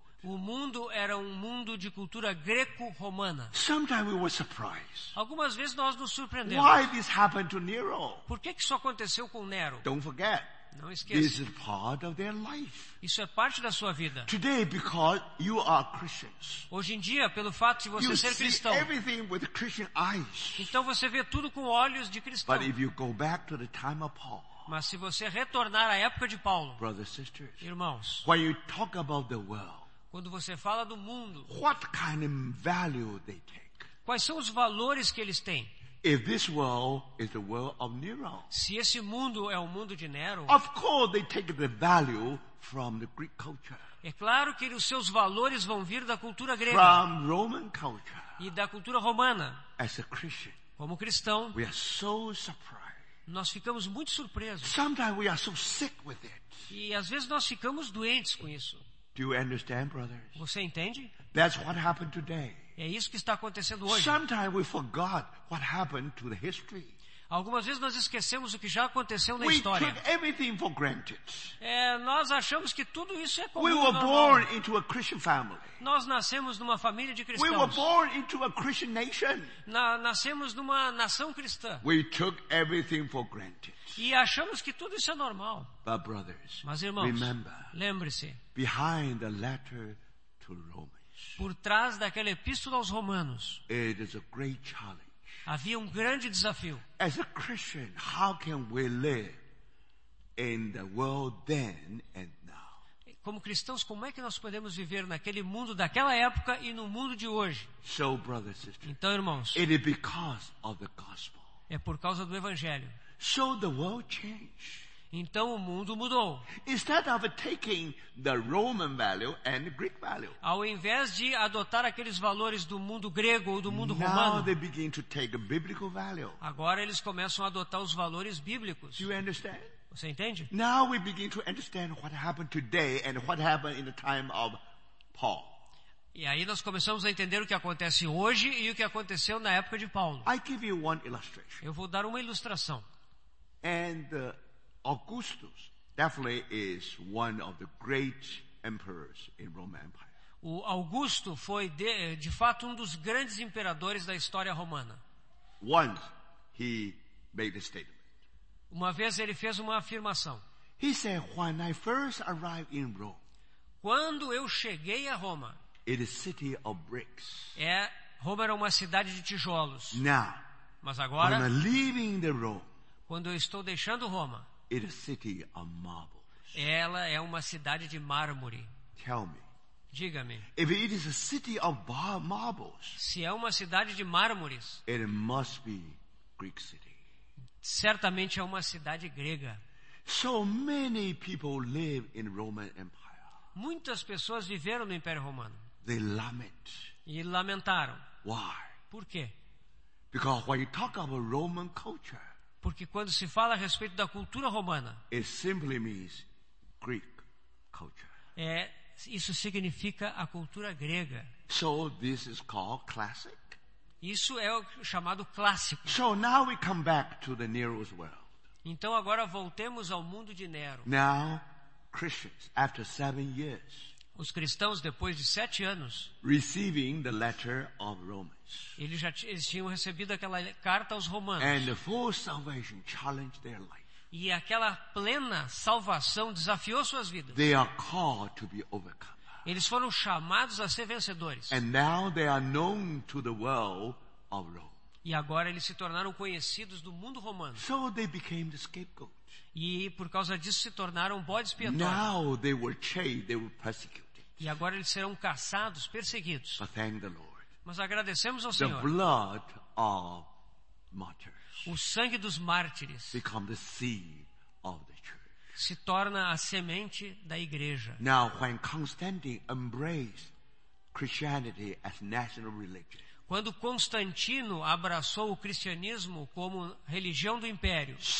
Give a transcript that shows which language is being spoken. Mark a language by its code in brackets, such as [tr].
[pt] O mundo era um mundo de cultura greco-romana. [en] Sometimes we were surprised. [pt] Algumas vezes nós nos surpreendemos. [en] Why this happened to Nero? [pt] Por que que isso aconteceu com Nero? [en] Don't forget. [pt] Não esqueça. [en] This is part of their life. [pt] Isso é parte da sua vida. [en] Today, because you are Christians, [pt] hoje em dia, pelo fato de você ser cristão, [en] everything with Christian eyes. [pt] Então você vê tudo com olhos de cristão. [en] But if you go back to the time of Paul, [pt] mas se você retornar à época de Paulo, [en] brothers, sisters, [pt] irmãos, [en] when you talk about the world, [pt] quando você fala do mundo, [en] what kind of value they take? [pt] Quais são os valores que eles têm? [en] If this world is the world of Nero, [pt] se esse mundo é o mundo de Nero, [en] of course they take the value from the Greek culture. [pt] É claro que os seus valores vão vir da cultura grega, [en] from Roman culture. [pt] E da cultura romana. [en] As a Christian, [pt] como cristão, [en] we are so surprised. [pt] Nós ficamos muito surpresos. [en] Sometimes we are so sick with it. [pt] E às vezes nós ficamos doentes com isso. [en] Do you understand, brothers? [pt] Você entende? [en] That's what happened today. [pt] É isso que está acontecendo hoje. [en] Sometimes we forgot what happened to the history. [pt] Algumas vezes nós esquecemos o que já aconteceu na [en] we [pt] história. [en] Took everything for granted. [pt] É, nós achamos que tudo isso é comum. [en] We were born into a Christian family. [pt] Nós nascemos numa família de cristãos. [en] We were born into a Christian nation. [pt] Nascemos numa nação cristã. [en] We took everything for granted. [pt] E achamos que tudo isso é normal. [en] But brothers, [pt] mas irmãos, [en] remember, [pt] lembre-se. [en] Behind the letter to Romans, [pt] por trás daquela epístola aos romanos, [en] it is a great challenge. [pt] Havia grande desafio. [en] As a Christian, how can we live in the world then and now? [pt] Como cristãos, como é que nós podemos viver naquele mundo daquela época e no mundo de hoje? [en] So, brother, sister, [pt] então, irmãos, [en] it is because of the gospel. [pt] É por causa do evangelho. [en] So the world changed. [pt] Então o mundo mudou. [en] Instead of taking the Roman value and Greek value, [pt] ao invés de adotar aqueles valores do mundo grego ou do mundo romano, [en] now they begin to take biblical value. [pt] Agora eles começam a adotar os valores bíblicos. [en] Do you understand? [pt] Você entende? [en] Now we begin to understand what happened today and what happened in the time of Paul. [pt] E aí nós começamos a entender o que acontece hoje e o que aconteceu na época de Paulo. [en] I give you one illustration. [pt] Eu vou dar uma ilustração. [en] And Augustus definitely is one of the great emperors in Roman Empire. [pt] O Augusto foi de fato dos grandes imperadores da história romana. [en] Once he made a statement. [pt] Uma vez ele fez uma afirmação. [en] He said, "When I first arrived in Rome." [pt] Quando eu cheguei a Roma. [en] It is a city of bricks. [pt] É, Roma era uma cidade de tijolos. [en] Now, [pt] mas agora, [en] when I'm leaving the Rome, [pt] quando eu estou deixando Roma, [en] it is a city of marbles. [pt] Ela é uma cidade de mármore. [en] Tell me. [pt] Diga-me. [en] If it is a city of marbles, [pt] se é uma cidade de mármores, [en] it must be Greek city. [pt] Certamente é uma cidade grega. [en] So many people live in Roman Empire. [pt] Muitas pessoas viveram no Império Romano. [en] They lament. [pt] E lamentaram. [en] Why? [pt] Por quê? [en] Because when you talk about Roman culture, [pt] porque quando se fala a respeito da cultura romana, [en] it simply means Greek culture. [pt] É, isso significa a cultura grega. [en] So this is called classic? [pt] Isso é o chamado clássico. [en] So now we come back to the Nero's world. [pt] Então agora voltemos ao mundo de Nero. [en] Now, Christians, after 7 years, [pt] os cristãos depois de 7 anos, [en] receiving the letter of Romans, [pt] eles tinham recebido aquela carta aos romanos, [en] and the full salvation challenged their life. [pt] E aquela plena salvação desafiou suas vidas. [en] They are called to be overcome. [pt] Eles foram chamados a ser vencedores. [en] And now they are known to the world of Rome. [pt] E agora eles se tornaram conhecidos do mundo romano. [en] So they became the scapegoat. [pt] E por causa disso se tornaram bodes expiatórios. [en] Now they were chained, they were persecuted. [pt] E agora eles serão caçados, perseguidos. [en] But thank the Lord. [pt] Mas agradecemos ao [en] the [pt] Senhor. [en] Blood of martyrs. [pt] O sangue dos mártires [en] become the seed of the church. [pt] Se torna a semente da igreja. [en] Now when Constantine embraced Christianity as national religion, [pt] quando Constantino abraçou o cristianismo como religião do império,